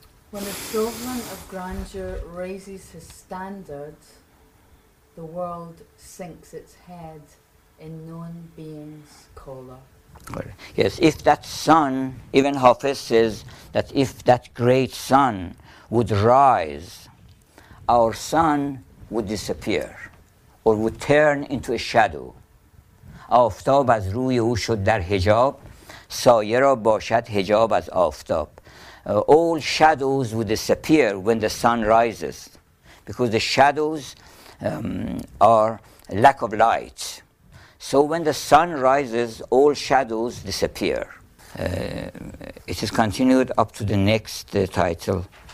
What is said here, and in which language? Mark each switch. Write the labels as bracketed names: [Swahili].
[English] When a sovereign of grandeur raises his standard, the world sinks its head in known being's collar. Yes, if that sun, even Hafiz says that if that great sun would rise, our sun would disappear or would turn into a shadow. [Persian] آفتاب از روی او شد در حجاب، سایه را باشد حجاب از آفتاب. [English] All shadows would disappear when the sun rises, because the shadows are lack of light. So when the sun rises, all shadows disappear. It is continued up to the next title.